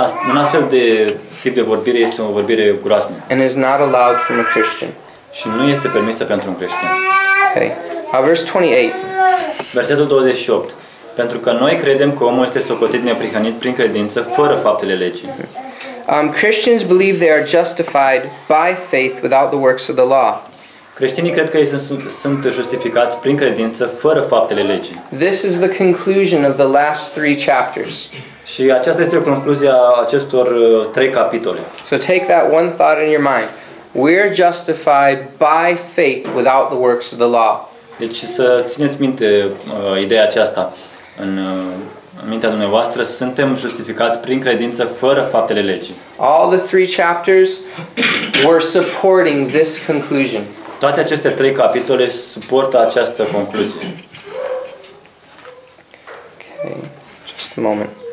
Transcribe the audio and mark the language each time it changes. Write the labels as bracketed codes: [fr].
[ro] un astfel de tip de vorbire este o vorbire groaznică. [en] And is not allowed from a Christian. [ro] Și nu este permisă pentru un creștin. [en] Okay. Verse 28. [ro] Versetul 28. Pentru că noi credem că omul este socotit neprihănit prin credință fără faptele legii. [en] Christians believe they are justified by faith without the works of the law. [ro] Creștinii cred că ei sunt justificați prin credință fără faptele legii. [en] This is the conclusion of the last three chapters. [ro] Și aceasta este concluzia acestor trei capitole. [en] So take that one thought in your mind. We're justified by faith without the works of the law. [ro] Deci să țineți minte ideea aceasta în mintea dumneavoastră, suntem justificați prin credință fără faptele legii. [en] All the three chapters were supporting this conclusion. [ro] Toate aceste trei capitole suportă această concluzie. [en] Okay, just a moment.